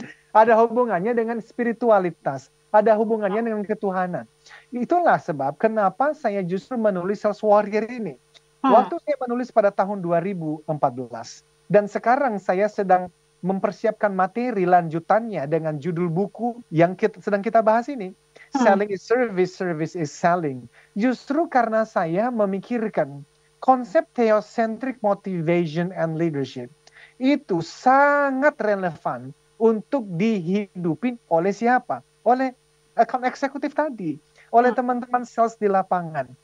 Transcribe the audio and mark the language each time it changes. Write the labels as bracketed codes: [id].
[id] Ada hubungannya dengan spiritualitas. Ada hubungannya dengan ketuhanan. Itulah sebab kenapa saya justru menulis Sales Warrior ini. Waktu saya menulis pada tahun 2014. Dan sekarang saya sedang mempersiapkan materi lanjutannya dengan judul buku yang sedang kita bahas ini. [en] Selling is service, service is selling. [id] Justru karena saya memikirkan konsep theocentric motivation and leadership itu sangat relevan untuk dihidupin oleh siapa? Oleh account executive tadi. Oleh teman-teman sales di lapangan.